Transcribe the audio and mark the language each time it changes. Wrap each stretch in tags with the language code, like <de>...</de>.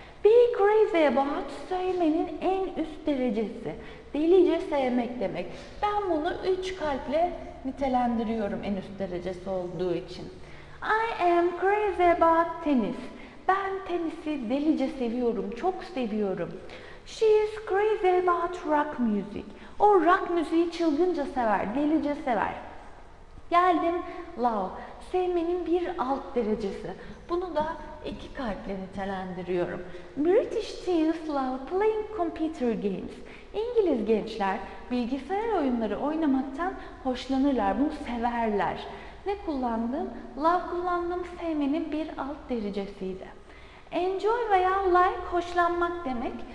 <en>Be crazy about</en> <tr>sevmenin en üst derecesi. Delice sevmek demek. Ben bunu 3 kalple nitelendiriyorum en üst derecesi olduğu için.</tr> <en>I am crazy about tennis.</en> <tr>Ben tenisi delice seviyorum, çok seviyorum.</tr> <en>She is crazy about rock music.</en> <tr>O rock müziği çılgınca sever, delice sever. Geldim love. Sevmenin bir alt derecesi. Bunu da 2 kalple nitelendiriyorum.</tr> <en>British teens love playing computer games.</en> <tr>İngiliz gençler bilgisayar oyunları oynamaktan hoşlanırlar. Bunu severler. Ne kullandım? Love kullandım. Sevmenin bir alt derecesiydi. Enjoy veya like hoşlanmak demek.</tr>